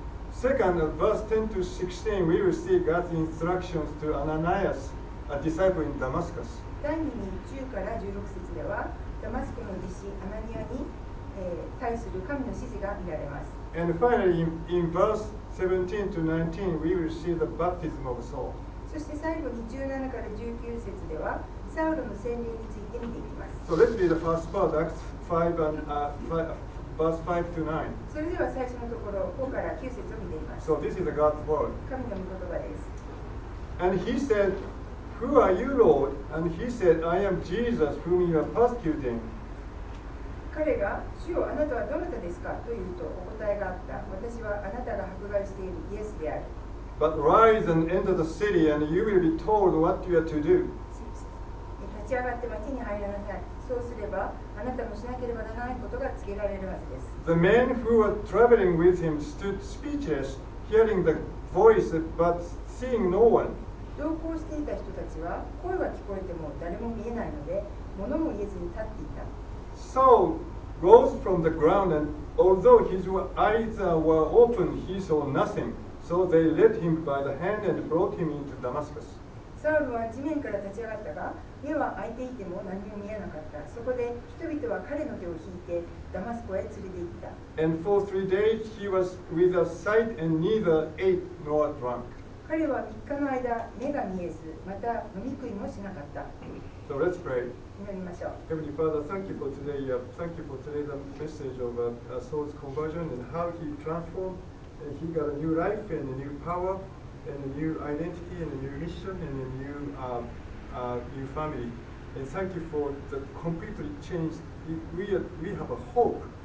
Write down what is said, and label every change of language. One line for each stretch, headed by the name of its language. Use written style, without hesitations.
English: Second, in verse 10 to 16, we will see God's instructions to Ananias, a disciple in Damascus. And finally, in verse 17 to 19, we will see the baptism of Saul.
Japanese: そして最後に17から19節ではサウロの洗礼について見ていきます。
English: So let's read the first part, Acts 5 and, verse 5 to 9.
Japanese: それでは最初のところ5から9節を見ています。
English: So this is God's word.
Japanese: 神の御言葉です。
English: And he said, Who are you, Lord? And he said, I am Jesus whom you are persecuting.
Japanese: 彼が主よあなたはどなたですかと言うとお答えがあった。私はあなたが迫害しているイエスである。
English: But rise and enter the city, and you will be told what you are to do.
Japanese: 立ち上がって町に入らなさい。そうすれば、あなたもしなければならないことが告げられるはずです。
English: The men who were traveling with him stood speechless, hearing the voice but seeing no one.
Japanese: 同行していた人たちは、声は聞こえても誰も見えないので、物も言えずに立っていた。
English: Saul rose from the ground, and although his eyes were open, he saw nothing. So they led him by the hand and brought him into Damascus.
Japanese: サウルは地面から立ち上がったが、目は開いていても何も見えなかった。そこで人々は彼の手を引いてダマスコへ連れて行った。
English: And for 3 days he was without sight and neither ate nor drank.
Japanese: 彼は3日の間目が見えず、また飲み食いもしなかった。
English: So let's pray.
Japanese: 祈りましょう。
English: Heavenly Father, thank you for today. Thank you for today's message of Saul's conversion and how he transformed. And he got a new life and a new power and a new identity and a new mission and a new, new family. And thank you for the completely changed. We have a hope.